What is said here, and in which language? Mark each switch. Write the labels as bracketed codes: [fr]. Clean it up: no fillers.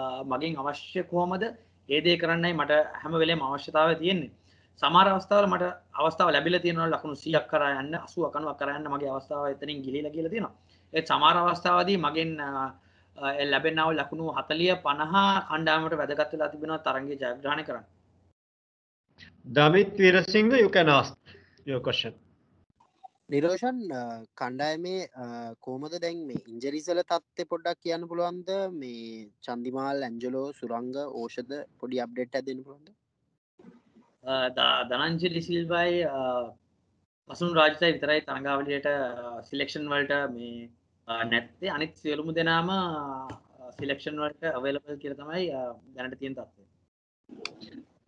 [si] මගෙන් අවශ්‍ය කොහොමද ඒ දේ කරන්නයි මට හැම වෙලේම අවශ්‍යතාවය තියෙන්නේ සමහර අවස්ථාවල මට අවස්ථාව ලැබිලා තියෙනවා ලකුණු 100ක් කරා යන්න 80ක් 90ක් කරා යන්න මගේ අවස්ථාව එතනින් ගිලිලා කියලා තියෙනවා ඒත් සමහර අවස්ථාවදී මගෙන් ලැබෙනව ලකුණු 40 50 කණ්ඩායමට වැදගත් වෙලා තිබෙනවා තරඟයේ ජයග්‍රහණය කරන්න [en] Dhamith Weerasinghe you can ask your question [si] Niroshan කණ්ඩායමේ කොහමද දැන් මේ ඉන්ජරිස් වල තත්ත්වය පොඩ්ඩක් කියන්න පුළුවන්ද මේ චන්දිමාල් ඇන්ජලෝ සුරංග ඖෂධ පොඩි අප්ඩේට් එකක් දෙන්න පුළුවන්ද දනංජලි සිල්වායි පසුන් රාජිතයි විතරයි තරගාවලියට සිලෙක්ෂන් වලට මේ නැත්තේ අනිත් සියලුම දෙනාම සිලෙක්ෂන් වලට අවේලබල් කියලා තමයි දැනට තියෙන තත්ත්වය